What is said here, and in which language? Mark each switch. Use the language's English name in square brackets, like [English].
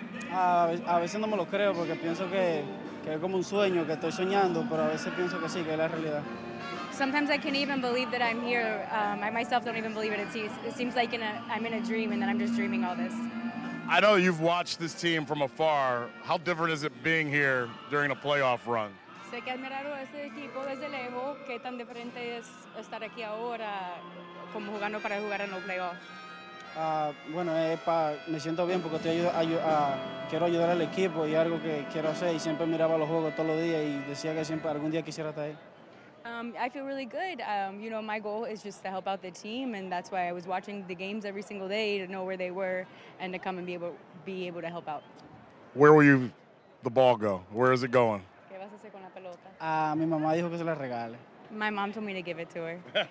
[Spanish] A veces no me lo creo porque pienso que es como un sueño que estoy soñando, pero a veces pienso que sí, que es la realidad. [English] Sometimes I can't even believe that I'm here. I myself don't even believe it. It seems like I'm in a dream and that I'm just dreaming all this. I know you've watched this team from afar. How different is it being here during a playoff run? [Spanish] Sé que admiraron este equipo desde lejos. Qué tan diferente es estar aquí ahora, como jugando para jugar en los playoffs. Bueno, me siento bien porque quiero ayudar al equipo y algo que quiero hacer. Y siempre miraba los juegos todos los días y decía que siempre algún día quisiera estar ahí. [English] I feel really good. You know, my goal is just to help out the team, and that's why I was watching the games every single day to know where they were and to come and be able to help out. Where will you the ball go? Where is it going? [Spanish] ¿Qué vas a hacer con la pelota? Mi mamá dijo que se la regale. [English] My mom told me to give it to her.